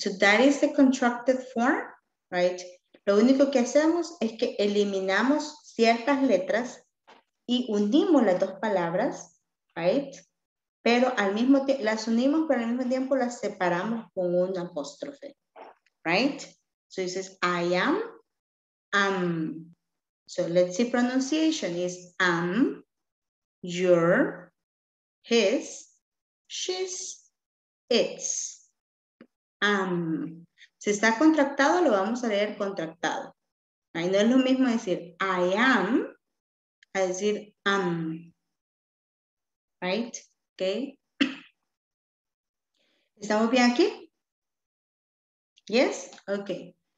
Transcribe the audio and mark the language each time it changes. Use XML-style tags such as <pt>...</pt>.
<en>So that is the contracted form, right?</en> <es>Lo único que hacemos es que eliminamos ciertas letras y unimos las dos palabras, right? Pero al mismo tiempo, las unimos, pero al mismo tiempo las separamos con un apóstrofe, right?</es> <en>So it says, I am, so let's see pronunciation is am, your, his, she's, it's.</en> <es>Si está contractado, lo vamos a leer contractado. Ahí no es lo mismo decir I am, a decir am.</es> <en>Right? Okay.</en> <es>¿Estamos bien aquí?</es> <en>Yes? Okay.</en>